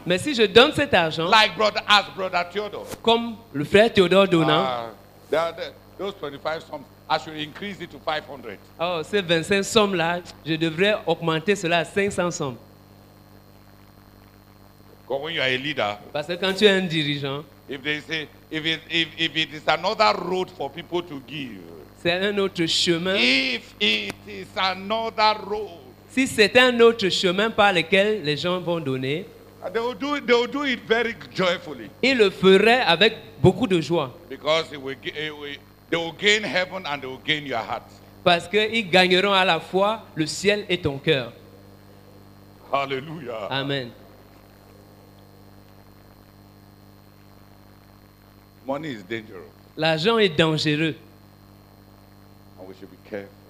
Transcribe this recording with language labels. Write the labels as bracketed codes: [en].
[fr] mais si je donne cet argent, [en] like brother, as brother Theodore, [fr] comme le frère Théodore donnant, [en] those 25 sums, I should increase it to 500. [fr] Oh, ces 25 sommes là, je devrais augmenter cela à 500 sommes. [en] Because when you are a leader, [fr] parce que quand tu es un dirigeant, [en] if they say, if it is another road for people to give, [fr] c'est un autre chemin. [en] If it is another road. [fr] Si c'est un autre chemin par lequel les gens vont donner, [en] they will do it very joyfully. [fr] Ils le feraient avec beaucoup de joie. [en] Because they will gain heaven and they will gain your heart. [fr] Parce qu'ils gagneront à la fois le ciel et ton cœur. Hallelujah. Amen. [en] Money is dangerous. [fr] L'argent est dangereux. [en] And we should be careful.